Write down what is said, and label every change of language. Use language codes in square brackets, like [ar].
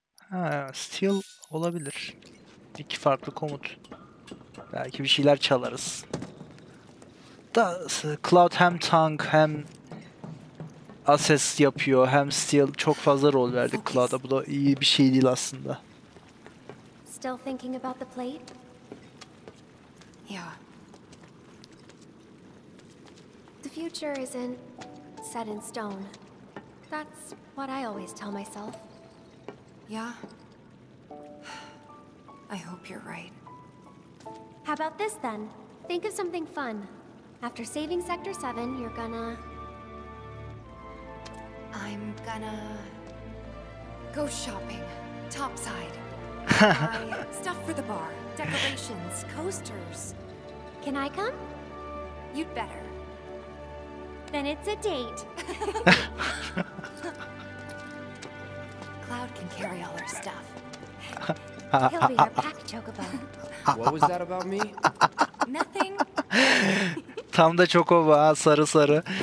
[tr] Ha, still olabilir. İki farklı komut. Belki bir şeyler çalarız. Da Cloud hem tank hem assist yapıyor, hem still, çok fazla rol verdik Cloud'a. Bu da iyi bir şey değil aslında. [en] Still thinking about the plate? Yeah. The future isn't set in stone. That's what I always tell myself. Yeah. I hope you're right. How about this then? Think of something fun. After saving Sector 7, you're gonna... I'm gonna... go shopping. Topside. Stuff for the bar. Decorations. Coasters. Can I come? You'd better. Then it's a date. Cloud can carry all our stuff. He'll be our pack chocobo. What was that about me? Nothing. [tr] Tam da çokoba ha, sarı sarı.